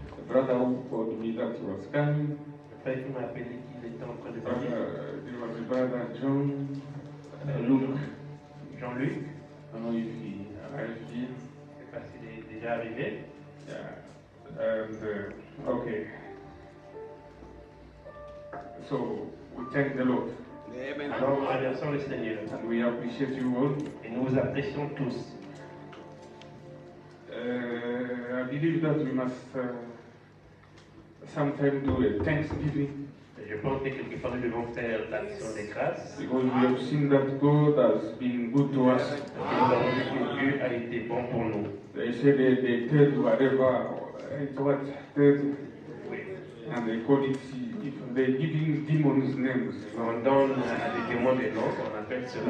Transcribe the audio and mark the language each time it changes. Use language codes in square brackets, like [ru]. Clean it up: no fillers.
[en] The brother who told me that was coming. [fr] Le frère qui m'a appelé qu'il était en train de venir. [en] There was a brother John. Luc. Jean-Luc. I don't know if he arrived here. Je [fr] ne sais pas s'il est déjà arrivé. [en] Yeah. And okay. So we thank the Lord. [fr] Alors, nous remercions le Seigneur. [en] We appreciate you all. [fr] Et nous vous apprécions tous. [en] I believe that we must sometimes do a thanksgiving. [fr] Je pense que quelque part nous devons faire l'action des grâces. [en] Because we have seen that God has been good to us. [fr] Parce que nous avons vu que Dieu a été bon pour nous. [en] They said they did whatever it was did. And they call it they giving demons names. [fr] On donne à des démons des noms, on appelle cela.